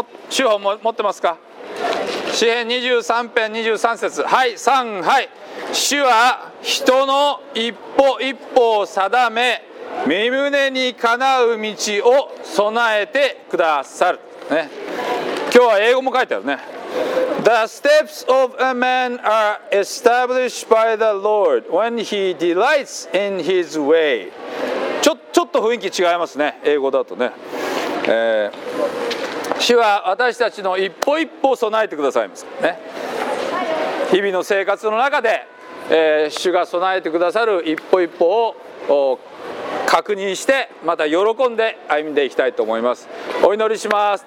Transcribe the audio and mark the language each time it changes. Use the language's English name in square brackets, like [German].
[Japanese] 修法も持ってますか。詩編23編23節、はい、3、はい、主は人の一歩一歩を定め、身胸にかなう道を備えてくださる、ね、今日は英語も書いてあるね。 [English] The steps of a man are established by the Lord when he delights in his way。 [Japanese] ちょっと雰囲気違いますね、英語だとね、主は私たちの一歩一歩を備えてくださいます、ね、日々の生活の中で、主が備えてくださる一歩一歩を確認して、また喜んで歩んでいきたいと思います。お祈りします。